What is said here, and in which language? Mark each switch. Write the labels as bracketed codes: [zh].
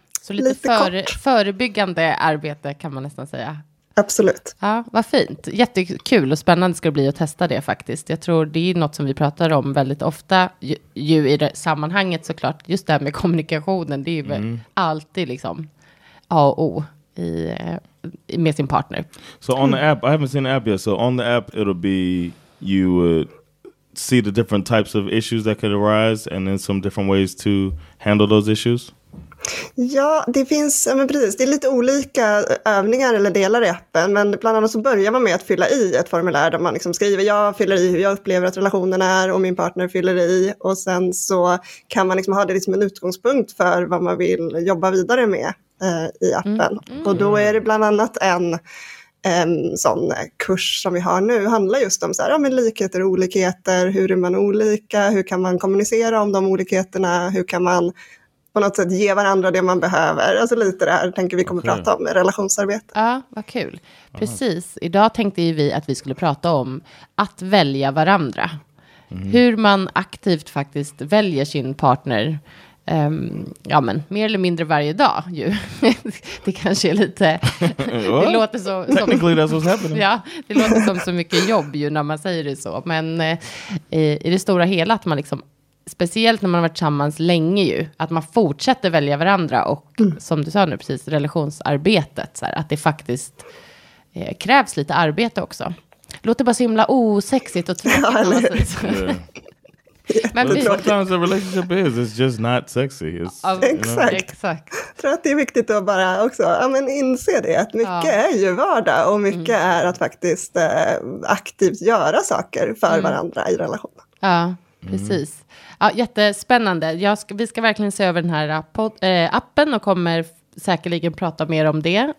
[sv] Så lite förebyggande arbete kan man nästan säga. Absolut. Ja, vad fint. Jättekul och spännande ska det bli att testa det faktiskt. Jag tror det är något som vi pratar om väldigt ofta ju i det sammanhanget såklart. Just det här med kommunikationen, det är ju väl alltid liksom A och O. Med sin partner. [en] So on the app, I haven't seen the app yet. So on the app, it'll be you would see the different types of issues that could arise, and then some different ways to handle those issues. [sv] Ja, det finns, men precis, det är lite olika övningar eller delar i appen, men bland annat så börjar man med att fylla i ett formulär där man liksom skriver, jag fyller i hur jag upplever att relationen är och min partner fyller i, och sen så kan man liksom ha det liksom en utgångspunkt för vad man vill jobba vidare med i appen. Och då är det bland annat en sån kurs som vi har nu handlar just om så här, ja, men likheter och olikheter, hur är man olika, hur kan man kommunicera om de olikheterna, hur kan man på något sätt ge varandra det man behöver. Alltså lite det här tänker vi kommer prata om i relationsarbete. Ja, vad kul. Precis. Idag tänkte vi att vi skulle prata om att välja varandra. Hur man aktivt faktiskt väljer sin partner. Ja, men mer eller mindre varje dag ju. Det kanske är lite... Det låter så, [en] technically that's what's happening. [sv] Ja, det låter som så mycket jobb ju när man säger det så. Men i det stora hela att man liksom... Speciellt när man har varit tillsammans länge ju. Att man fortsätter välja varandra. Och som du sa nu precis, relationsarbetet. Så här, att det faktiskt krävs lite arbete också. Låter bara så himla osexigt och tråkigt. [en] Men sometimes a relationship is, it's just not sexy. [sv] Exakt. Jag tror att det är viktigt att bara också inse det. Att mycket är ju vardag. Och mycket är att faktiskt aktivt göra saker för varandra i relationen. Ja, precis. Ja, jättespännande. Vi ska verkligen se över den här appen och kommer säkerligen prata mer om det.